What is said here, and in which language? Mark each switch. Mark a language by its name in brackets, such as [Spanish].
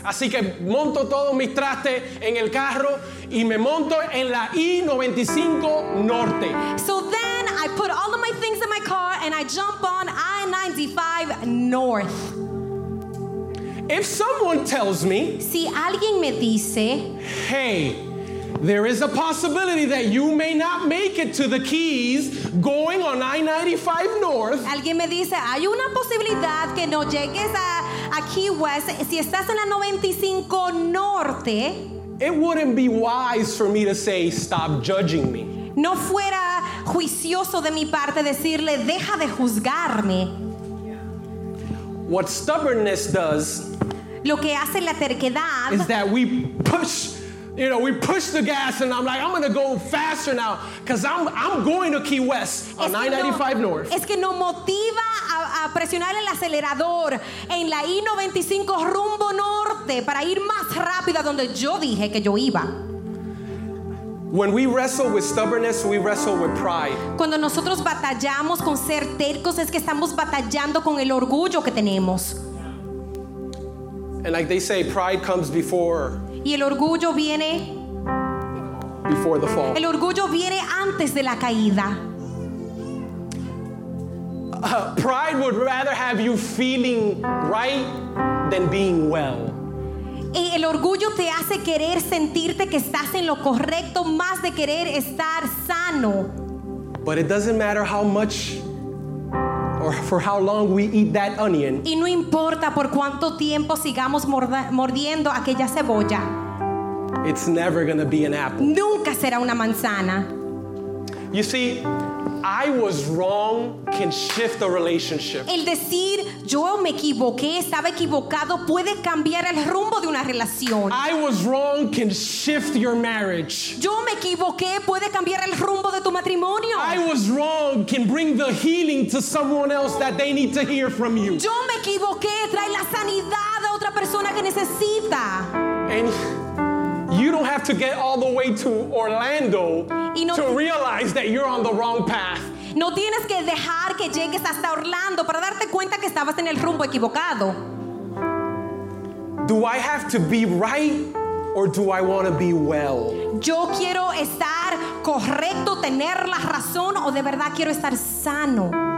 [Spanish] Así que monto todos mis trastes en el carro y me monto en la I-95 Norte. [English] So then I put all of my things in my car and I jump on I-95 North. If someone tells me, [Spanish] si alguien me dice, [English] hey, there is a possibility that you may not make it to the Keys going on I-95 North. [Spanish] Alguien me dice, hay una posibilidad que no llegues aquí West, si estás en la 95 Norte, [English] it wouldn't be wise for me to say stop judging me. [Spanish] No fuera juicioso de mi parte decirle deja de juzgarme. [English] What stubbornness does, [Spanish] lo que hace la terquedad, [English] is that we push, you know, we push the gas, and I'm like, I'm going to go faster now because I'm going to Key West on 995 North. [Spanish] Es que no motiva a presionar el acelerador en la I-95 rumbo norte para ir más rápido a donde yo dije que yo iba. [English] When we wrestle with stubbornness, we wrestle with pride. [Spanish] Cuando nosotros batallamos con ser tercos, es que estamos batallando con el orgullo que tenemos. [English] And like they say, pride comes before. [Spanish] Y el orgullo viene. [English] Before the fall. [Spanish] El orgullo viene antes de la caída. [English] Pride would rather have you feeling right than being well. [Spanish] Y el orgullo te hace querer sentirte que estás en lo correcto más de querer estar sano. [English] But it doesn't matter how much or for how long we eat that onion. [Spanish] Y no importa por cuánto tiempo sigamos mordiendo aquella cebolla. [English] It's never going to be an apple. [Spanish] Nunca será una manzana. [English] You see, I was wrong can shift a relationship. [Spanish] El decir yo me equivoqué, estaba equivocado, puede cambiar el rumbo de una relación. [English] I was wrong can shift your marriage. [Spanish] Yo me equivoqué, puede cambiar el rumbo de tu matrimonio. [English] I was wrong can bring the healing to someone else that they need to hear from you. [Spanish] Yo me equivoqué, trae la sanidad a otra persona que necesita. [English] And you don't have to get all the way to Orlando to realize that you're on the wrong path. [Spanish] No tienes que dejar que llegues hasta Orlando para darte cuenta que estabas en el rumbo equivocado. [English] Do I have to be right or do I want to be well? [Spanish] Yo quiero estar correcto, tener la razón, o de verdad quiero estar sano.